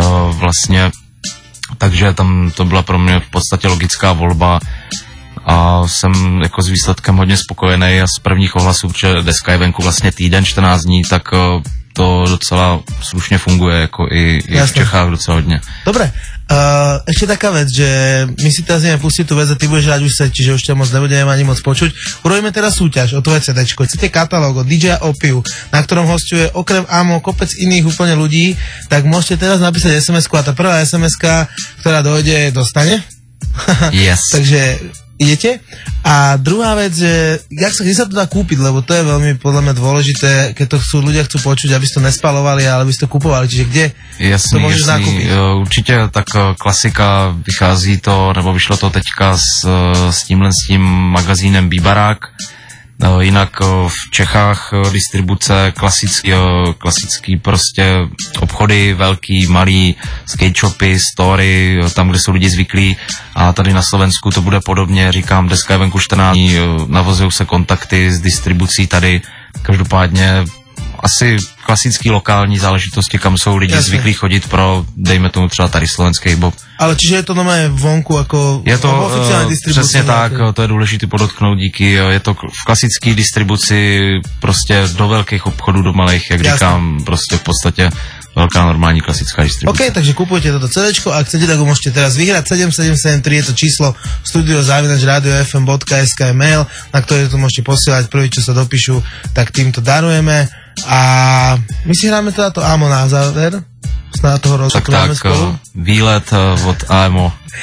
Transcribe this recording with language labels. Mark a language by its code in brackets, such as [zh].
[cs] vlastně, takže tam to byla pro mě v podstatě logická volba a jsem jako s výsledkem hodně spokojený a z prvních ohlasů, protože deska je venku vlastně týden, 14 dní, tak to docela slušně funguje jako i v Čechách docela hodně. [sk] Dobré. Ešte taká vec, že my si teraz ideme pustiť tú vec a ty budeš rád už sa, čiže už ťa moc nebudeme ani moc počuť. Urobíme teraz súťaž o tvoje CDčko. Chcete katalóg od DJ Opiu, na ktorom hosťuje okrem AMO kopec iných úplne ľudí, tak môžete teraz napísať SMS-ku a tá prvá SMS-ka, ktorá dojde, dostane. [en] Yes. [sk] Takže idete. A druhá vec, že kde sa to dá kúpiť, lebo to je veľmi podľa mňa dôležité, keď to chcú, ľudia chcú počuť, aby si to nespalovali, ale aby si to kúpovali, čiže kde [cs] jasný, [sk] to môžeš zakúpiť? [cs] Určite tak klasika, vychází to, nebo vyšlo to teďka s tím magazínem Bíbarák. Jinak v Čechách distribuce klasický prostě obchody, velký, malý, skate shopy, story, tam, kde jsou lidi zvyklí a tady na Slovensku to bude podobně, říkám, deska je venku 14 dní, navozují se kontakty s distribucí tady, každopádně asi klasický lokální záležitosti, kam jsou lidi jasně zvyklí chodit pro, dejme tomu třeba tady slovenský bob. [sk] Ale čiže je to normálně vonku, jako je to, [cs] oficiální distribuce? Přesně nějaké. Tak, to je důležité podotknout, díky, je to v klasické distribuci prostě do velkých obchodů, do malých, jak jasně říkám, prostě v podstatě velká normální klasická distribuce. [sk] Ok, takže kupujte toto CDčko a chcete, tak ho můžete teraz vyhrát. 7773 je to číslo studio@radiofm.sk mail, na ktoré to môžete posielať. Prvý, čo sa dopíšu, tak týmto darujeme. A my si hráme teda to AMO na záver. Snáď toho rozhodujeme spolu. Tak, výlet od AMO.